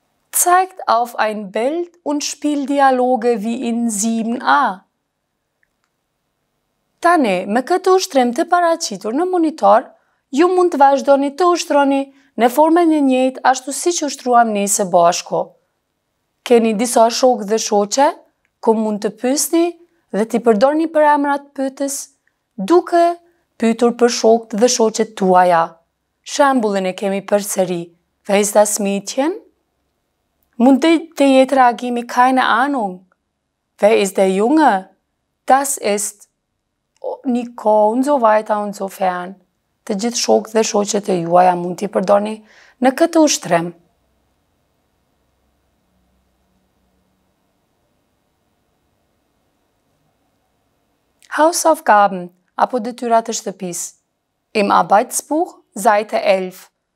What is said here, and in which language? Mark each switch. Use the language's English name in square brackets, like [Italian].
[German] Zeigt auf ein Bild und spielt Dialoge wie in 7a. [Albanian] Tane, me këtë ushtrim të paraqitur në monitor, ju mund të vazhdoni të ushtroni në formën e njëjtë ashtu si që ushtruam ne së bashku. Keni disa shokë dhe shoqe, ku mund të pysni dhe t'i përdorni për emrat pyetës, duke pytur për shokët dhe shoqet tuaja. Shembullin e kemi për sëri. [German] Wer ist das Mädchen? [Albanian] Mund të jetë reagimi [German] keine Ahnung. Wer ist der Junge? Das ist Niko, und so weiter und so fern. [Albanian] Të gjithë shokët dhe shoqet e juaja mund t'i përdorni në këtë ushtrim. [German] Hausaufgaben [Albanian] apo detyrat e shtëpisë. [German] Im Arbeitsbuch Seite 11.